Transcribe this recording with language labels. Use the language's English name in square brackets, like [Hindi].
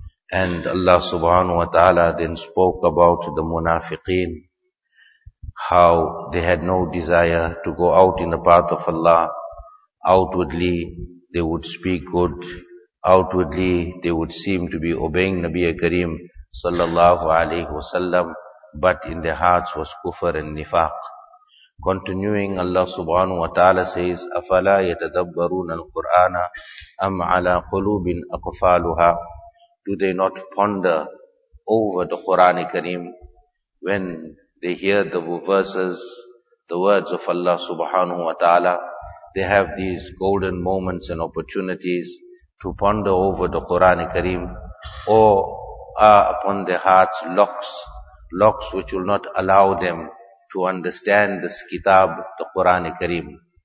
[English] And Allah subhanahu wa ta'ala then spoke about the munafiqeen, how they had no desire to go out in the path of Allah. Outwardly they would speak good, outwardly they would seem to be obeying Nabi Kareem sallallahu alayhi wasallam, but in their hearts was kufr and nifaq. Continuing, Allah subhanahu wa ta'ala says, [Arabic] أَفَلَا يَتَدَبَّرُونَ الْقُرْآنَ أَمْ عَلَىٰ قُلُوبٍ أَقْفَالُهَا. [English] Do they not ponder over the Qur'an Kareem when they hear the verses, the words of Allah subhanahu wa ta'ala? They have these golden moments and opportunities to ponder over the Qur'an Kareem, or are upon their hearts locks which will not allow them to understand this kitab, the Qur'an Kareem.